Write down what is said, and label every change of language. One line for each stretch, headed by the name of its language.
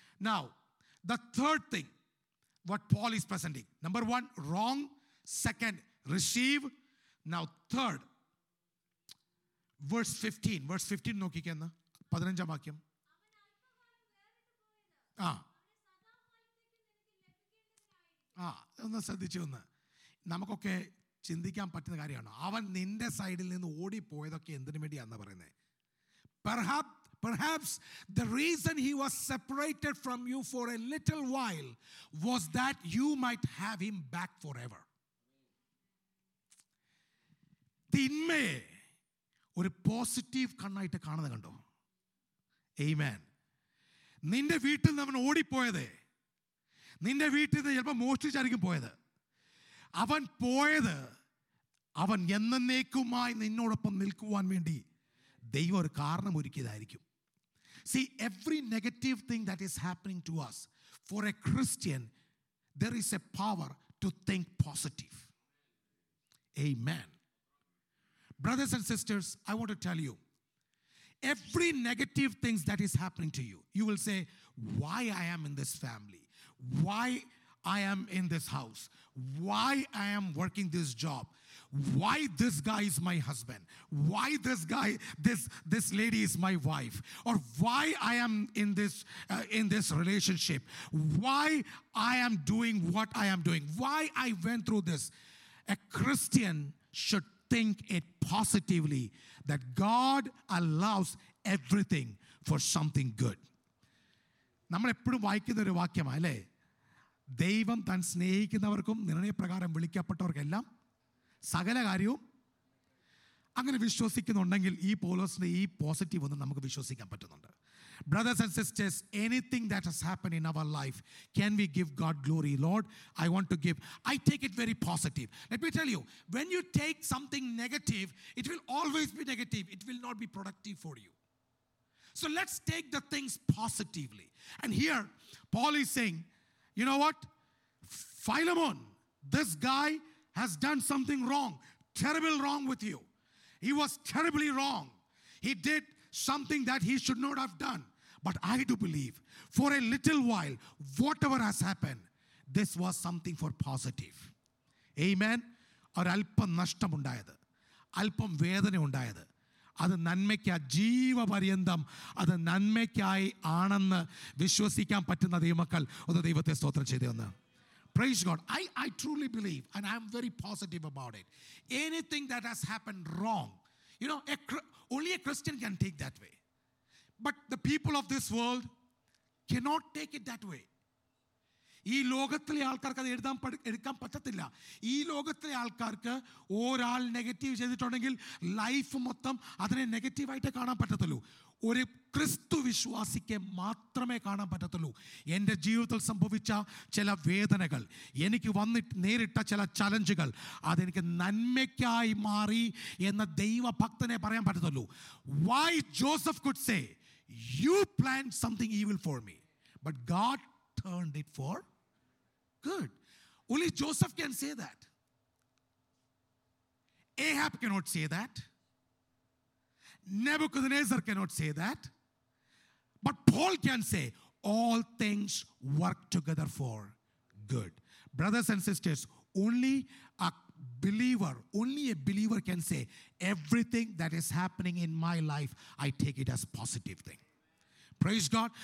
English: now the third thing what Paul is presenting, number one wrong, second receive, now third verse fifteen
Malayalam: നോക്കിക്കുന്ന 15th വാക്യം. ഒന്ന് ശ്രദ്ധിച്ചു, ഒന്ന് നമുക്കൊക്കെ ചിന്തിക്കാൻ പറ്റുന്ന കാര്യമാണ്, അവൻ നിന്റെ സൈഡിൽ നിന്ന് ഓടിപ്പോയതൊക്കെ എന്തിനു വേണ്ടിയാണെന്ന് പറയുന്നത്.
English: Perhaps the reason he was separated from you for a little while was that you might have him back forever.
Malayalam: തിന്മയെ ഒരു പോസിറ്റീവ് കണ്ണായിട്ട് കാണുന്നത് കണ്ടോ? ആമേൻ. നിന്റെ വീട്ടിൽ നിന്ന് അവൻ ഓടിപ്പോയതേ, നിന്റെ വീട്ടിൽ നിന്ന് ചിലപ്പോൾ മോഷ്ടിച്ചായിരിക്കും പോയത്. അവൻ പോയത് അവൻ എന്നേക്കുമായി നിന്നോടൊപ്പം നിൽക്കുവാൻ വേണ്ടി ദൈവം ഒരു കാരണം ഒരുക്കിയതായിരിക്കും.
English: See, every negative thing that is happening to us, for a Christian, there is a power to think positive. Amen. Brothers and sisters, I want to tell you, Every negative things that is happening to you, you will say, why I am in this family? Why I am in this house? Why I am working this job? Why this guy is my husband? Why this lady is my wife? Or why I am in this relationship? Why I am doing what I am doing? Why I went through this? A Christian should think it positively, that God allows everything for something good.
Malayalam: നമ്മൾ എപ്പോഴും വായിക്കുന്ന ഒരു വാക്യമാണ് അല്ലേ? ദൈവം താൻ സ്നേഹിക്കുന്നവർക്കും നിർണയപ്രകാരം വിളിക്കപ്പെട്ടവർക്കെല്ലാം സകല കാര്യവും. അങ്ങനെ വിശ്വസിക്കുന്നുണ്ടെങ്കിൽ ഈ പോലോസിൻ്റെ ഈ പോസിറ്റീവ് ഒന്ന് നമുക്ക് വിശ്വസിക്കാൻ പറ്റുന്നുണ്ട്.
English: Brothers and sisters, anything that has happen in our life, can we give God glory? Lord, I want to give, I take it very positive. Let me tell you, when you take something negative, it will always be negative, it will not be productive for you. So let's take the things positively. And here, Paul is saying, you know what? Philemon, this guy has done something wrong, terrible wrong with you. He was terribly wrong. He did something that he should not have done. But I do believe, for a little while, whatever has happened, this was something for positive. Amen?
Malayalam: Or alpam nashtam undayathu, alpam vedane undayathu, അത് നന്മയ്ക്കാ, ജീവപര്യന്തം അത് നന്മയ്ക്കായി ആണെന്ന് വിശ്വസിക്കാൻ പറ്റുന്ന ദൈവമക്കൾ ഒന്ന് ദൈവത്തെ സ്തോത്രം ചെയ്തേന്ന്.
English: Praise God. I truly believe and I am very positive about it. Anything that has happen wrong, you know, only a Christian can take that way. But the people of this world cannot take it that way.
Malayalam: ഈ ലോകത്തിലെ ആൾക്കാർക്ക് അത് എടുക്കാൻ പറ്റത്തില്ല. ഈ ലോകത്തിലെ ആൾക്കാർക്ക് ഒരാൾ നെഗറ്റീവ് ചെയ്തിട്ടുണ്ടെങ്കിൽ ലൈഫ് മൊത്തം അതിനെ നെഗറ്റീവായിട്ടേ കാണാൻ പറ്റത്തുള്ളൂ. ഒരു ക്രിസ്തു വിശ്വാസിക്ക് മാത്രമേ കാണാൻ പറ്റത്തുള്ളൂ. എൻ്റെ ജീവിതത്തിൽ സംഭവിച്ച ചില വേദനകൾ, എനിക്ക് വന്നിട്ട് നേരിട്ട ചില ചലഞ്ചുകൾ, അതെനിക്ക് നന്മയ്ക്കായി മാറി എന്ന ദൈവഭക്തനെ പറയാൻ പറ്റത്തുള്ളൂ.
English: Why Joseph could say, you plan something evil for me, but God turned it for good. Only Joseph can say that. Ahab cannot say that. Nebuchadnezzar cannot say that. But Paul can say, all things work together for good. Brothers and sisters, only a believer, only a believer can say, everything that is happening in my life, I take it as positive thing. Praise God.